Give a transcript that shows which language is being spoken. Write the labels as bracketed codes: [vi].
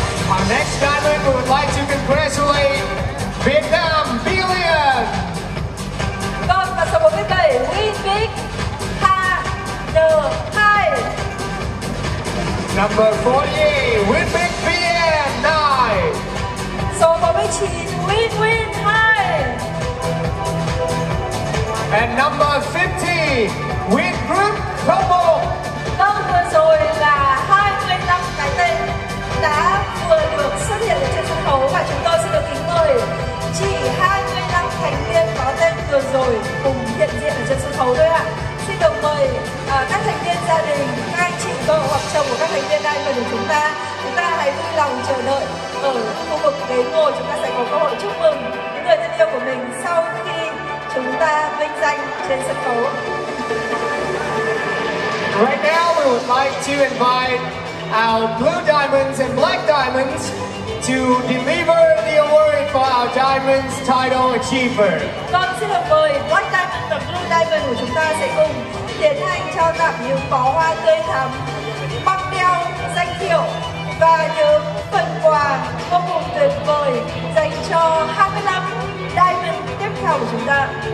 [en] Our next Diamond would like to congratulate Vietnam Billion. [vi] Vâng, và số 47, We Big Ha Đờ Hai. [en] Number 48, We Big Vien 9. [vi] Số 49, We Win Hai. [en] And number 50, We Group Combo. [vi] Vâng, vừa rồi là 25 cái tên đã vừa được xuất hiện trên sân khấu và chúng tôi xin được kính mời chỉ 25 thành viên có tên vừa rồi cùng hiện diện ở trên sân khấu thôi ạ. Xin được mời các thành viên gia đình, các anh chị, vợ hoặc chồng của các thành viên đang ngồi của chúng ta hãy vui lòng chờ đợi ở khu vực ghế ngồi. Chúng ta sẽ có cơ hội chúc mừng những người thân yêu của mình sau khi chúng ta vinh danh trên sân khấu. [en] Right now, we would like to invite our blue diamonds and black diamonds to deliver the award for our diamonds title achiever. [vi] Vâng, xin được mời black diamond và blue diamond của chúng ta sẽ cùng tiến hành trao tặng những bó hoa tươi thắm, băng đeo danh hiệu và những phần quà vô cùng tuyệt vời dành cho 25 diamond tiếp theo của chúng ta.